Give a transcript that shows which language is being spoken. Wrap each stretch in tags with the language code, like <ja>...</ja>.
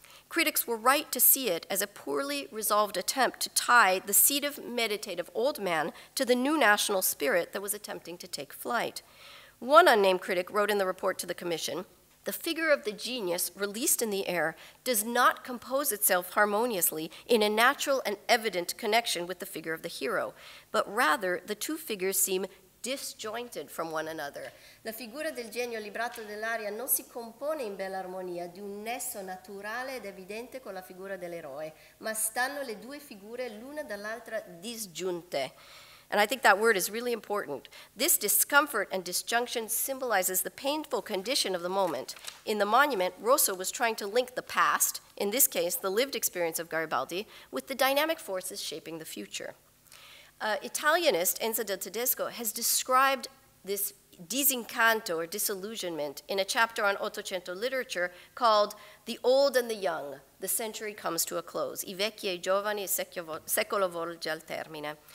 <en>Critics were right to see it as a poorly resolved attempt to tie the seat of meditative old man to the new national spirit that was attempting to take flight. One unnamed critic wrote in the report to the commission, the figure of the genius released in the air does not compose itself harmoniously in a natural and evident connection with the figure of the hero, but rather the two figures seem disjointed from one another.</en> <it>La figura del genio librato dell'aria non si compone in bella armonia di un nesso naturale ed evidente con la figura dell'eroe, ma stanno le due figure l'una dall'altra disgiunte.</it> <en>And I think that word is really important. This discomfort and disjunction symbolizes the painful condition of the moment. In the monument, Rosso was trying to link the past, in this case, the lived experience of Garibaldi, with the dynamic forces shaping the future. Italianist Enzo Del Tedesco has described this disincanto or disillusionment in a chapter on Ottocento literature called The Old and the Young, The Century Comes to a Close,</en> <it>I vecchi e I giovani, secolo volge al termine.</it>